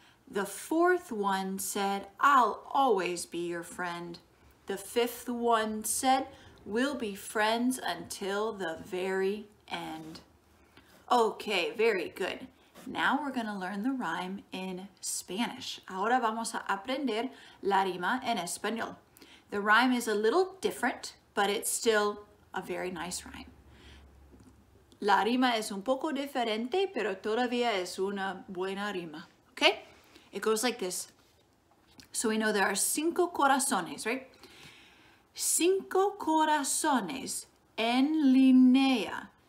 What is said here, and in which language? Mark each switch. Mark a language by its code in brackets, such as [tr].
[en] The fourth one said, I'll always be your friend. The fifth one said, we'll be friends until the very end. Okay, very good. Now we're going to learn the rhyme in Spanish. [es] Ahora vamos a aprender la rima en español. [en] The rhyme is a little different, but it's still a very nice rhyme. [es] La rima es un poco diferente, pero todavía es una buena rima. [en] Okay? It goes like this. So we know there are 5 corazones, right? [es] 5 corazones en línea.